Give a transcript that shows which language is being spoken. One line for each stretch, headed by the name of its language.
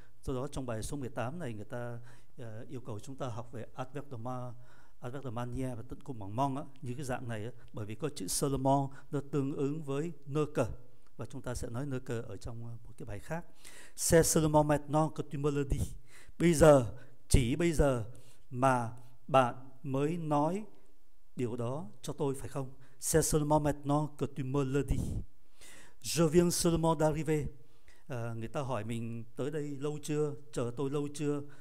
Vietnamese: Do đó trong bài số 18 này người ta yêu cầu chúng ta học về adverb de manière và tận cùng bằng mong á, như cái dạng này á, bởi vì có chữ seulement nó tương ứng với nơi cờ, và chúng ta sẽ nói nơi cờ ở trong một cái bài khác.
French: C'est seulement maintenant que tu me le dis,
Vietnamese: bây giờ, chỉ bây giờ mà bạn mới nói điều đó cho tôi, phải không?
French: C'est seulement maintenant que tu me le dis. Je viens seulement d'arriver.
Vietnamese: Người ta hỏi mình tới đây lâu chưa, chờ tôi lâu chưa.